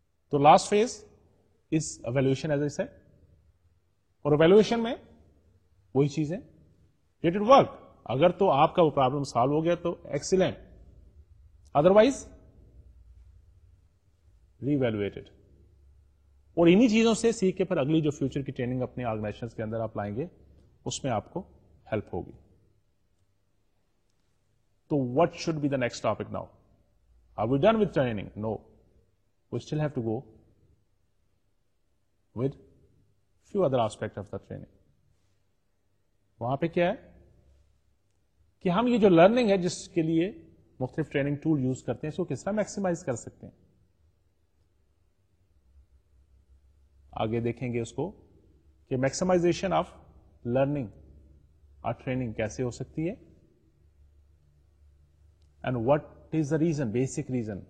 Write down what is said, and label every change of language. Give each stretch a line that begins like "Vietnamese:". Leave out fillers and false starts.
Urdu: تو
English: last phase is evaluation as a set,
Urdu: اور evaluation میں وہی چیزیں,
English: did it work,
Urdu: اگر تو آپ کا وہ پرابلم سالو ہو گیا تو ایکسیلنٹ,
English: Otherwise reevaluated.
Urdu: اور انہی چیزوں سے سیکھ کے پھر اگلی جو فیوچر کی ٹریننگ اپنے آرگنائزیشن کے اندر آپ لائیں گے اس میں آپ کو ہیلپ ہوگی.
English: تو what should be the next topic now? Are we done with training? No, we still have to go with few other aspect of the training.
Urdu: وہاں پہ کیا ہے کہ ہم یہ جو لرننگ ہے جس کے لیے مختلف ٹریننگ ٹول یوز کرتے ہیں اس کو کس طرح میکسیمائز کر سکتے ہیں, آگے دیکھیں گے اس کو کہ میکسیمائزیشن آف لرننگ اور ٹریننگ کیسے ہو سکتی ہے,
English: And what is the reason, basic reason.